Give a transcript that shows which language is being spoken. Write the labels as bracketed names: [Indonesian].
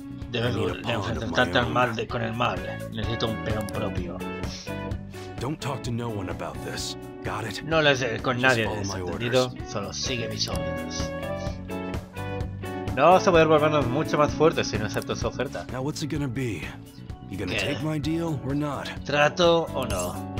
[Spanish] Debes enfrentarte al mal con el mal. Necesito un peón propio. [English] Don't talk to no one about this. Got it? [Spanish] No le hables con nadie de esto, ¿entendido? Solo sigue mis órdenes. No vas a poder volvernos mucho más fuertes si no acepto su oferta. [English] Now what's it gonna be? You gonna take my deal or not? [Spanish] ¿Trato o no?